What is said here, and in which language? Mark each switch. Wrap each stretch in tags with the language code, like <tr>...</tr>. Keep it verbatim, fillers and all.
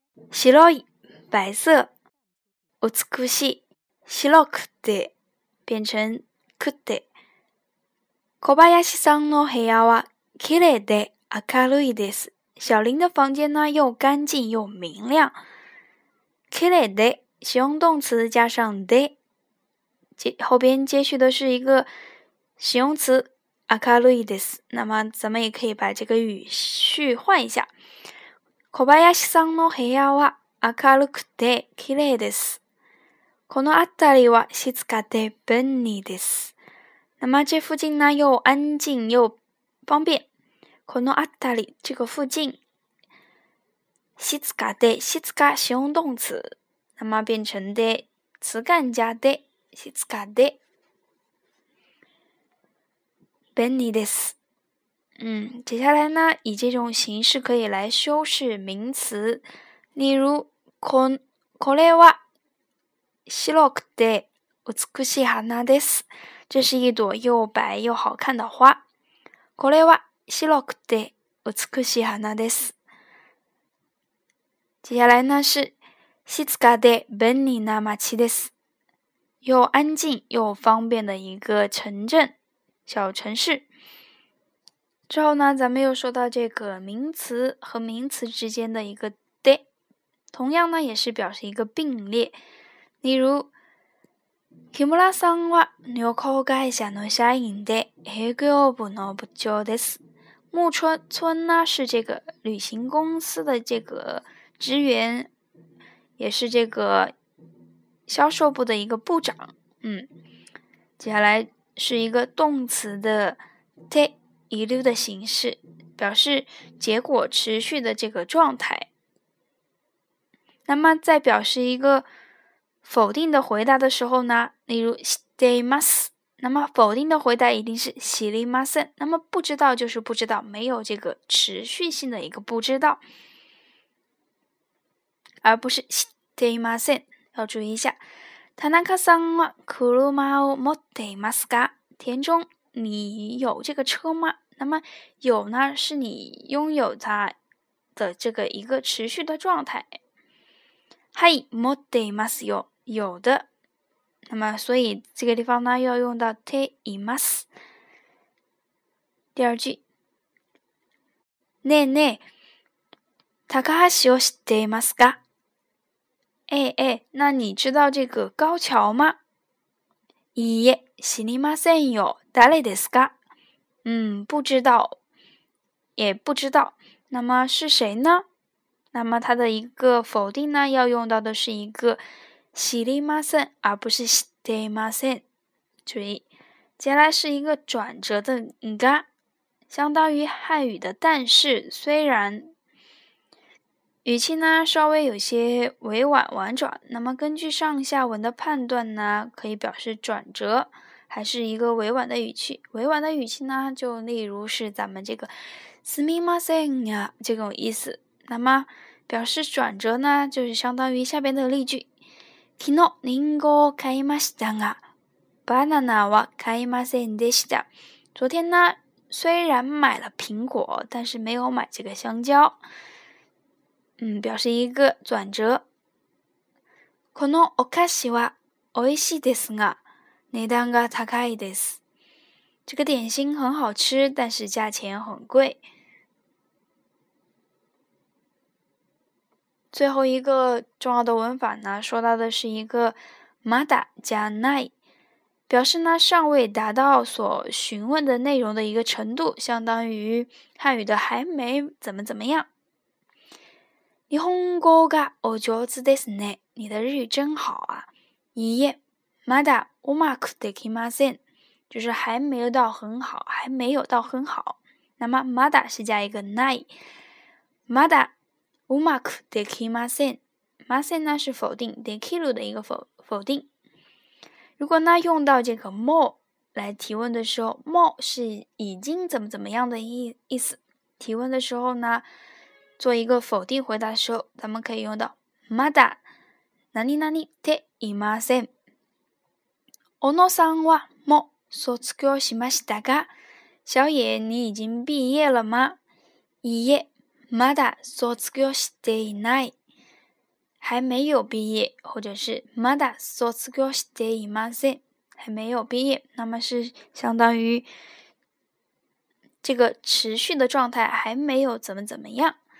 <ja>白い白色，美しい白くて</ja> <zh>变成</zh> <ja>くて。小林さんの部屋はきれいで明るいです。</ja> <zh>小林的房间呢又干净又明亮。きれいで形容动词加上で，后边接续的是一个形容词明るいです。那么咱们也可以把这个语序换一下。</zh> <ja>小林さんの部屋は明るくて綺麗です。この辺りは静かで便利です。</ja> <zh>那么这附近呢又安静又方便。この辺り这个附近，静かで静か形容动词，那么变成で词干加で</zh> <ja>静かで便利です。</ja> <zh>嗯，接下来呢以这种形式可以来修饰名词。</zh> <ja>例如、こ、これは白くて美しい花です。</ja> <zh>这是一朵又白又好看的花。</zh> <ja>これは白くて美しい花です。</ja> <zh>接下来呢是</zh> <ja>静かで便利な町です。</ja> <zh>又安静又方便的一个城镇、小城市。之后呢，咱们又说到这个名词和名词之间的一个で。同样呢，也是表示一个并列。</zh> <ja>例如，木村さんは旅行会社の社員で営業部の部長です。</ja> <zh>木村村呢是这个旅行公司的这个职员，也是这个销售部的一个部长。嗯，接下来是一个动词的ている的形式，表示结果持续的这个状态。那么在表示一个否定的回答的时候呢，例如しています，那么否定的回答一定是知りません，那么不知道就是不知道，没有这个持续性的一个不知道，而不是していません。要注意一下。</zh> <ja>田中さんは車を持っていますか？</ja> <zh>田中，你有这个车吗？那么有呢，是你拥有它的这个一个持续的状态。</zh> <ja>はい、持っていますよ。</ja> <zh>有的。那么所以这个地方呢要用到ています。第二句。</zh> <ja>ねえねえ、高橋を知っていますか？</ja> <zh>ええええ、那你知道这个高桥吗？</zh> <ja>いいえ、知りませんよ。誰ですか？</ja> <zh>嗯，不知道。也不知道。那么是谁呢？那么它的一个否定呢，要用到的是一个知りません，而不是知っていません。注意，接下来是一个转折的が，相当于汉语的但是、虽然，语气呢稍微有些委婉婉转。那么根据上下文的判断呢，可以表示转折，还是一个委婉的语气。委婉的语气呢，就例如是咱们这个すみません呀这种意思。那么表示转折呢，就是相当于下边的例句：</zh> <ja>昨日リンゴを買いましたが、バナナは買いませんでした。</ja> <zh>昨天呢，虽然买了苹果，但是没有买这个香蕉。嗯，表示一个转折。</zh> <ja>このお菓子は美味しいですが、値段が高いです。</ja> <zh>这个点心很好吃，但是价钱很贵。最后一个重要的文法呢，说到的是一个まだ加ない，表示呢尚未达到所询问的内容的一个程度，相当于汉语的还没怎么怎么样。</zh> <ja>日本語がお上手ですね。</ja> <zh>你的日语真好啊。</zh> <ja>いいえ、まだうまくできません。</ja> <zh>就是还没有到很好，还没有到很好。那么まだ是加一个ない。</zh> <ja>まだうまくできません。</ja> <zh>ません呢是否定，できる的一个否否定。如果呢用到这个も来提问的时候，も是已经怎么怎么样的意意思。提问的时候呢，做一个否定回答的时候，咱们可以用到まだ何々ていません。</zh> <ja>小野さんはもう卒業しましたが、</ja> <zh>小野你已经毕业了吗？</zh> <ja>いいえ、まだ卒業していない。</ja> <zh>还没有毕业，或者是</zh> <ja>まだ卒業していません。</ja> <zh>还没有毕业，那么是相当于这个持续的状态还没有怎么怎么样。</zh>